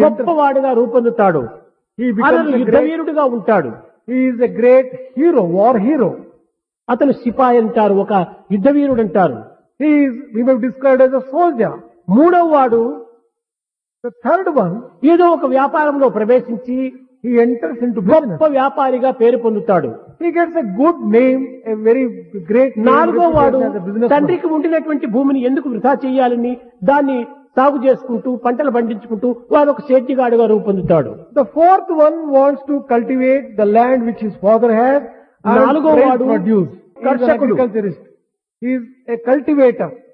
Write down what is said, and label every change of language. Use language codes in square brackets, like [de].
[te] గొప్పవాడుగా రూపొందుతాడు. [en] He becomes [te] యుద్ధవీరుడుగా ఉంటాడు. [en] He is a great hero, war hero. [te] అతను సిపాయి అంటారు, ఒక యుద్ధవీరుడు అంటారు. [en] He is, we have described as a soldier. [te] మూడవ వాడు, [en] the third one, [te] ఏదో ఒక వ్యాపారంలో ప్రవేశించి [en] he enters into business. [te] గొప్ప వ్యాపారిగా పేరు పొందుతాడు. [en] He gets a good name, a very great name. [te] నాలుగో వాడు, తండ్రికి ఉండినటువంటి భూమిని ఎందుకు వృధా చేయాలని దాన్ని సాగు చేసుకుంటూ పంటలు పండించుకుంటూ వాడు ఒక సేద్యగాడుగా రూపొందుతాడు. [en] The fourth one wants to cultivate the land which his father has. [te] నాలుగో వాడు ప్రొడ్యూస్ [en] Agriculturist is a cultivator.